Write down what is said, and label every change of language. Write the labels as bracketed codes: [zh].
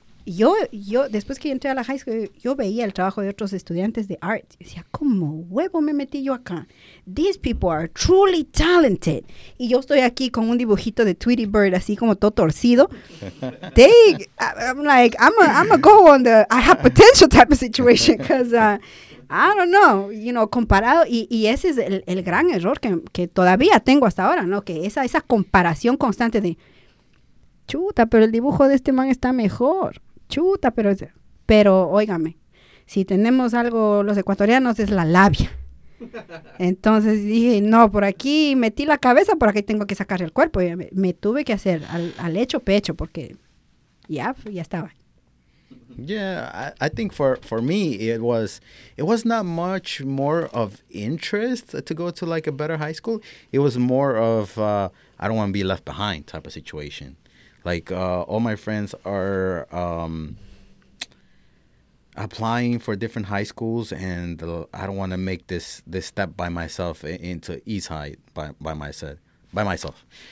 [es] Yo después que entré a la high school, yo veía el trabajo de otros estudiantes de art. Y decía, ¿cómo huevo me metí yo acá? [en] These people are truly talented. [es] Y yo estoy aquí con un dibujito de Tweety Bird, así como todo torcido. [en] I'm go on the, I have potential type of situation. Because, I don't know, you know, [es] comparado. Y ese es el gran error que todavía tengo hasta ahora, ¿no? Que esa comparación constante de, chuta, pero el dibujo de este man está mejor. Chuta, pero óigame, si tenemos algo los ecuatorianos es la labia. Entonces dije, no, por aquí metí la cabeza, por aquí tengo que sacar el cuerpo. Y me tuve que hacer al hecho pecho porque ya estaba. [en] Yeah, I think for me it was not much more of interest to go to like a better high school. It was more of I don't want to be left behind type of situation. Like, all my friends are applying for different high schools, and I don't want to make this step by myself into East High by myself.